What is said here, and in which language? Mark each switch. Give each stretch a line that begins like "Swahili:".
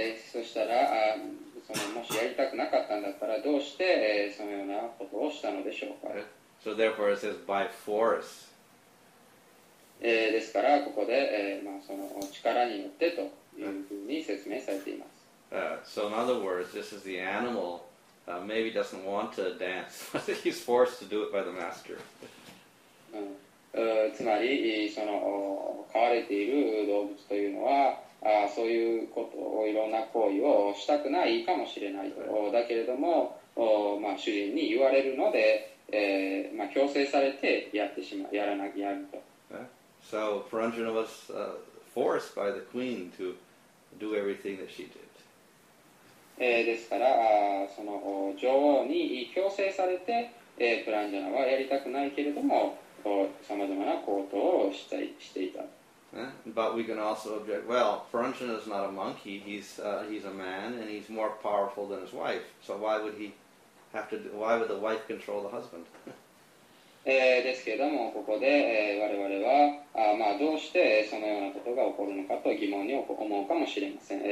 Japanese: そしたら、そのもしやりたくなかったんだったらどうして、そのようなことをしたのでしょうか。
English: So therefore it says by force.
Japanese: ですからここで、まあ、その力によってというふうに説明されています。
English: So in other words, this is the animal maybe doesn't want to dance, but he's forced to do it by the master.
Japanese: つまりその飼われている動物というのはそういうことをいろんな行為をしたくないかもしれないと、だけれども、まあ、主人に言われるので、まあ、強制されてやってしまう、やらなきゃいけないと。
English: So Paranjana was forced by the queen to do everything that she did.
Japanese: ですから、その女王に強制されて、プランジャナはやりたくないけれども、さまざまな行動をしていた。
English: But we can also object, well, Paranjana is not a monkey, he's a man, and he's more powerful than his wife. So why would the wife control the husband?
Japanese: ですけれども、ここで我々は、まあ、どうしてそのようなことが起こるのかと疑問に思うかもしれません。